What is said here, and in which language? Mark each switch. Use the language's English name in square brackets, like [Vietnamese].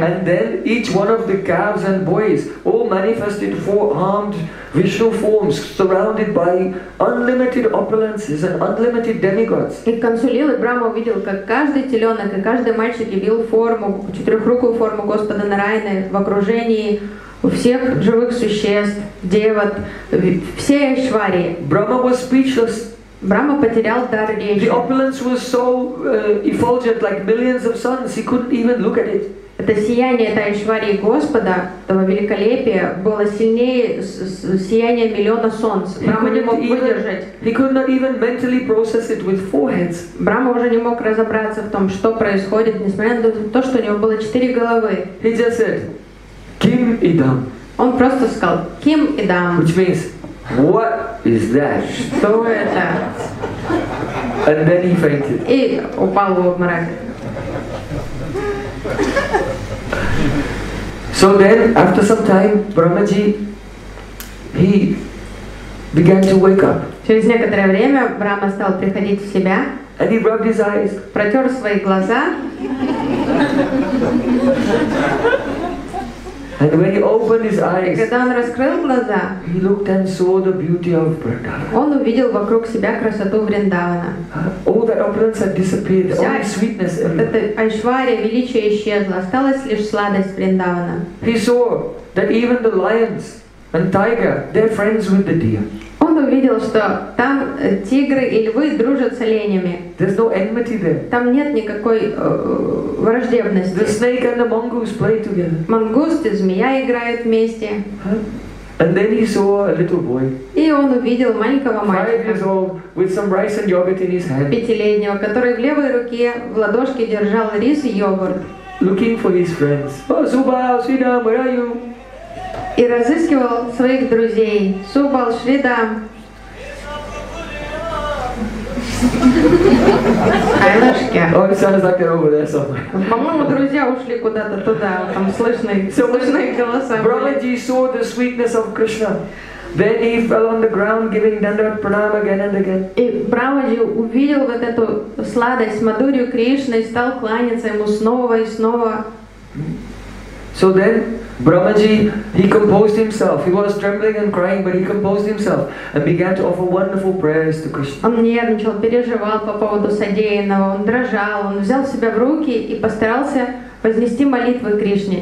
[English] And then each one of the calves and boys all manifested four armed Vishnu forms surrounded by unlimited opulences and unlimited demigods. [Russian] И к концу лилы Брахма увидел, как каждый теленок и каждый мальчик явил форму, четырехрукую форму Господа Нараяны в окружении у всех живых существ, девот, все айшвари. [English] Brahma was speechless. [Russian] Брахма потерял дар речи. [English] The opulence was so effulgent, like millions of suns. He couldn't even look at it. [Russian] Это сияние этой айшвари Господа, того великолепия, было сильнее сияния миллиона солнц. Брахма не мог выдержать. [English] He could not even mentally process it with four heads. [Russian] Брахма уже не мог разобраться в том, что происходит, несмотря на то, что у него было четыре головы. [English] He just said, [Sanskrit] Kim idam. [Russian] Он просто сказал [Sanskrit] Kim idam. [English] Which means, what is that? [Russian] Что это? [English] And then he fainted. [Russian] И упал в обморок. [English] So then, after some time, Brahmaji, he began to wake up. [Russian] Через некоторое время Брахма стал приходить в себя. [English] And he rubbed his eyes. [Russian] Протер свои глаза. [English] And when he opened his eyes, [Russian] и когда он раскрыл глаза, [English] he looked and saw the beauty of Vrindavan. [Russian] Он увидел вокруг себя красоту Вриндавана. [English] All that opulence had disappeared. Вся only sweetness. [Russian] Это айшвария, величие исчезло, осталась лишь сладость Вриндавана. [English] He saw that even the lions and tiger, they're friends with the deer. [Russian] Он увидел, что там тигры и львы дружат с оленями. [English] There's no enmity there. [Russian] Там нет никакой враждебности. [English] The snake and the mongoose play together. [Russian] Мангусты, змея играют вместе. [English] And then he saw a little boy. [Russian] И он увидел маленького мальчика. [English] 5 years old with some rice and yogurt in his hand. [Russian] Пятилетнего, который в левой руке в ладошке держал рис и йогурт. [English] Looking for his friends. Oh, Suba, Shrida, where are you? [Russian] И разыскивал своих друзей. Субал, Шрида. Айлашки. [English] Oh, it sounds like they're over there somewhere. [Russian] По-моему, друзья ушли куда-то туда. Там слышно, слышно их голоса. [English] Brahmaji saw the sweetness of Krishna. Then he fell on the ground, giving dandavat pranam again and again. [Russian] И Брамаджи увидел вот эту сладость, мадурью Кришны, и стал кланяться ему снова и снова. [English] So then, Brahmaji, he composed himself. He was trembling and crying, but he composed himself and began to offer wonderful prayers to Krishna. [Russian] Он нервничал, переживал по поводу содеянного. Он дрожал. Он взял себя в руки и постарался вознести молитвы Кришне.